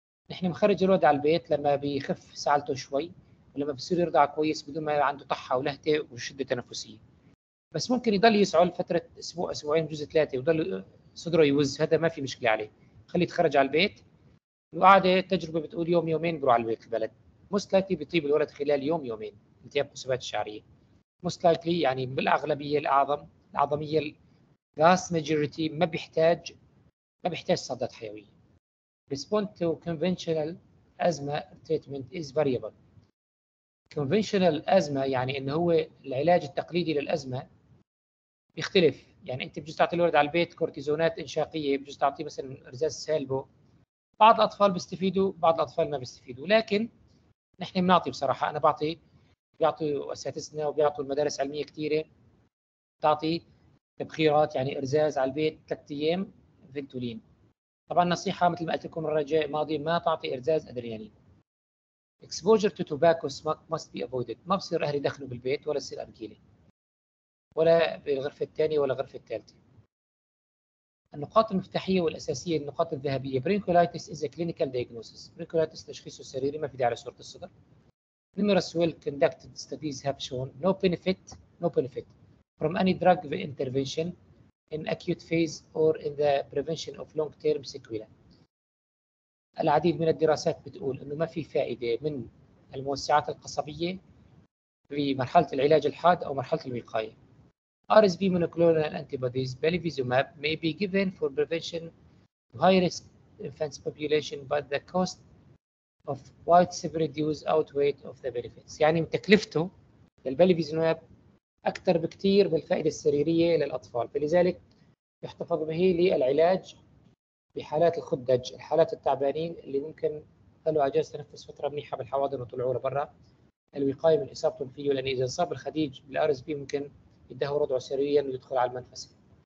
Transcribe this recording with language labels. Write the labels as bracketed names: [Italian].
[Arabic] نحن مخرج الولد على البيت لما بيخف سعالته شوي ولما بصير يرضع كويس بدون ما عنده طحة ولهتة وشدة تنفسية، بس ممكن يضل يسعل فترة أسبوع أسبوعين جزء ثلاثة وضل صدره يوز، هذا ما في مشكلة عليه، خليه يتخرج على البيت. وقاعدة التجربة بتقول يوم يومين بروح على البيت البلد، [English] most likely [Arabic] بيطيب الولد خلال يوم يومين التهاب قصبات الشعرية، most likely يعني بالأغلبية الأعظم العظمية [English] vast majority [Arabic] ما بيحتاج صدات حيوية. [English] Respond to conventional asthma treatment is variable. [Arabic] Conventional asthma يعني إنه هو العلاج التقليدي للأزمة بيختلف، يعني أنت بجوز تعطي الولد على البيت كورتيزونات إنشاقية، بجوز تعطيه مثلا إرزاز سالبو، بعض الأطفال بيستفيدوا بعض الأطفال ما بيستفيدوا، لكن نحن بنعطي بصراحة، أنا بعطي بيعطوا أساتذتنا وبيعطوا المدارس العلمية كتيرة بتعطي تبخيرات يعني إرزاز على البيت ثلاثة أيام فنتولين. طبعاً نصيحة مثل ما قلت لكم الرجاء الماضي ما تعطي إرزاز أدرينالين. [English] Exposure to tobacco smoke must be avoided. [Arabic] ما بصير أهلي دخلوا بالبيت ولا بصير أرجيلي ولا بالغرفة الثانية ولا غرفة الثالثة. النقاط المفتاحية والأساسية النقاط الذهبية. [English] Bronchiolitis is a clinical diagnosis. [Arabic] Bronchiolitis تشخيصه سريري ما في داعي على صورة الصدر. [English] Numerous well conducted studies have shown no benefit from any drug intervention in acute phase or in the prevention of long-term sequelae. [Arabic] العديد من الدراسات بتقول انه ما في فائدة من الموسعات القصبية في مرحلة العلاج الحاد او مرحلة الوقاية. [English] RSV monoclonal antibodies, bevacizumab, may be given for prevention of high-risk infants population, but the cost of widespread use outweigh of the benefits. [Arabic] يعني تكلفته للbevacizumab أكثر بكثير من الفائدة السريرية للأطفال، فلذلك يحتفظ به للعلاج بحالات الخدج، الحالات التعبانين اللي ممكن خلوا عجاز تنفس فترة منيحة بالحواضن وطلعوا لبرا، الوقاية من إصابتهم فيه، لأن إذا انصاب الخديج بالRSV ممكن يدهور رضعه سريريا ويدخل على المنفس.